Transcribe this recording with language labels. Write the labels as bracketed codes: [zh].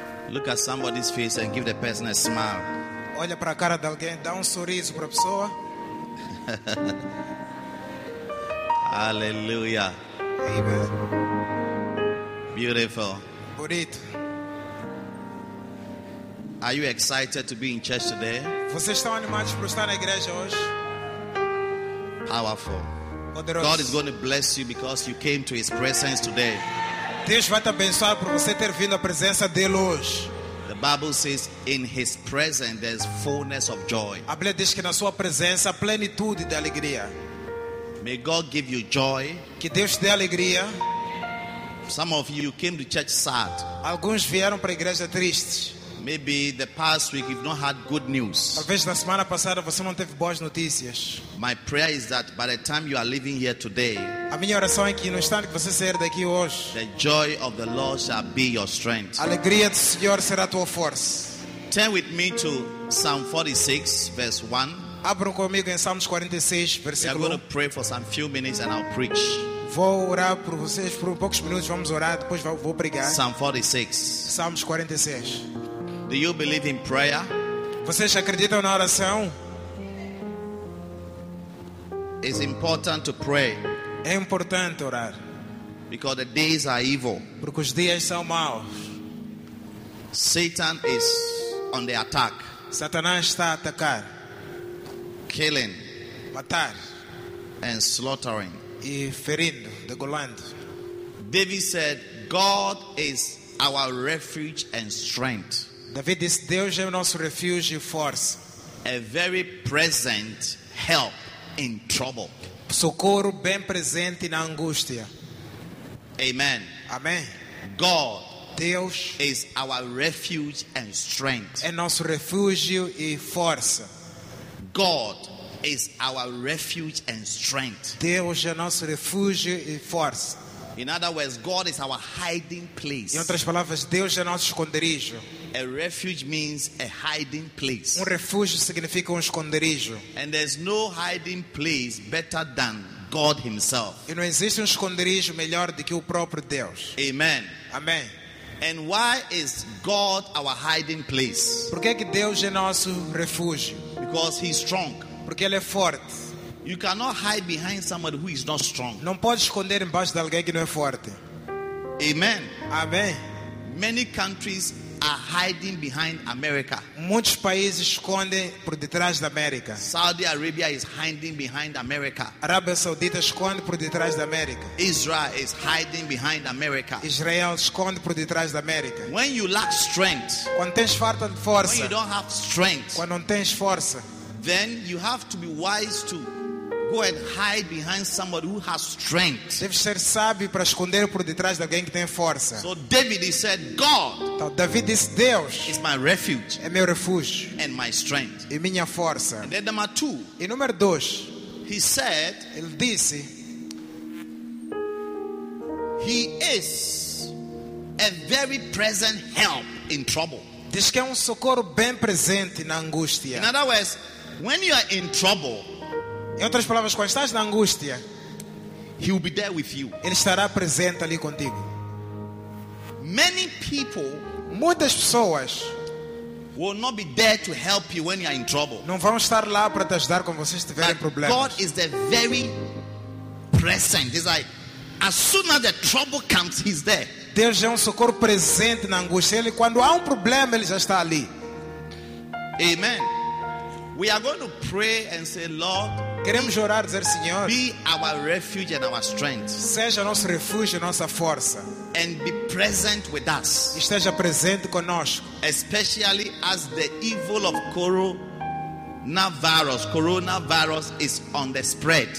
[en] Look at somebody's face and give the person a smile. [pt] Olha para a cara de alguém, dá um sorriso para a pessoa. [en] Hallelujah. Amen. Beautiful. [pt] Bonito. [en] Are you excited to be in church today? [pt] Vocês estão animados para estar na igreja hoje? [en] Powerful. [pt] Poderoso. [en] God is going to bless you because you came to His presence today. [pt] Deus vai te abençoar por você ter vindo à presença dele hoje. [en] The Bible says, "In His presence there is fullness of joy." [pt] A Bíblia diz que na sua presença há plenitude de alegria. [en] May God give you joy. [pt] Que Deus dê alegria. [en] Some of you came to church sad. [pt] Alguns vieram para a igreja tristes. [en] Maybe the past week you've not had good news. [pt] Talvez na semana passada você não teve boas notícias. [en] My prayer is that by the time you are leaving here today, [pt] a minha oração é que no instante que você sair daqui hoje, [en] the joy of the Lord shall be your strength. [pt] A alegria do Senhor será tua força. [en] Turn with me to Psalm 46, verse 1. [pt] Abram comigo em Salmos 46, versículo 1. [en] We are going to pray for some few minutes and I'll preach. [pt] Vou orar por vocês por poucos minutos. Vamos orar, depois vou pregar. [en] Psalm 46. [pt] Salmos 46. [en] Do you believe in prayer? [pt] Vocês acreditam na oração? [en] It's important to pray. [pt] É importante orar. [en] Because the days are evil. [pt] Porque os dias são maus. [en] Satan is on the attack. [pt] Satanás está a atacar. [en] Killing. [pt] Matar. [en] And slaughtering. [pt] E ferindo, degolando. [en] David said, "God is our refuge and strength." [pt] David disse, Deus é o nosso refúgio e força. [en] A very present help in trouble. [pt] Socorro bem presente na angústia. [en] Amen. [pt] Amém. [en] God, [pt] Deus, [en] is our refuge and strength. [pt] É nosso refúgio e força. [en] God is our refuge and strength. [pt] Deus é nosso refúgio e força. [en] In other words, God is our hiding place. [pt] Em outras palavras, Deus é nosso esconderijo. [en] A refuge means a hiding place. [pt] Um refúgio significa um esconderijo. [en] And there's no hiding place better than God Himself. [pt] E não existe um esconderijo melhor do que o próprio Deus. [en] Amen. [pt] Amém. [en] And why is God our hiding place? [pt] Por que é que Deus é nosso refúgio? [en] Because He's strong. [pt] Porque Ele é forte. [en] You cannot hide behind someone who is not strong. [pt] Não pode esconder embaixo de alguém que não é forte. [en] Amen. [pt] Amém. [en] Many countries are hiding behind America. [pt] Muitos países escondem por detrás da América. [en] Saudi Arabia is hiding behind America. [pt] Arábia Saudita esconde por detrás da América. [en] Israel is hiding behind America. [pt] Israel esconde por detrás da América. [en] When you lack strength, [pt] quando tens falta de força, [en] when you don't have strength, [pt] quando não tens força, [en] then you have to be wise to go and hide behind somebody who has strength. [pt] Deve ser sábio para esconder por detrás de alguém que tem força. [en] So David, he said, God. [pt] Então David disse, Deus [en] is my refuge. [pt] É meu refúgio. [en] And my strength. [pt] E minha força. [en] And then number two. [pt] E número dois. [en] He said. [pt] Ele disse. [en] He is a very present help in trouble. [pt] Diz que é um socorro bem presente na angústia. [en] In other words, when you are in trouble. [pt] Em outras palavras, quando estás na angústia, [en] He will be there with you. [pt] Ele estará presente ali contigo. [en] Many people, [pt] muitas pessoas, [en] will not be there to help you when you are in trouble. [pt] Não vão estar lá para te ajudar quando vocês tiverem problemas. [en] God is the very present. It's like, as soon as the trouble comes, He's there. [pt] Deus é um socorro presente na angústia. Ele, quando há um problema, Ele já está ali. [en] Amen. We are going to pray and say, Lord. [pt] Queremos orar e dizer, Senhor, [en] be our refuge and our strength. [pt] Seja nosso refúgio e nossa força. [en] And be present with us. [pt] Esteja presente conosco. [en] Especially as the evil of coronavirus is on the spread.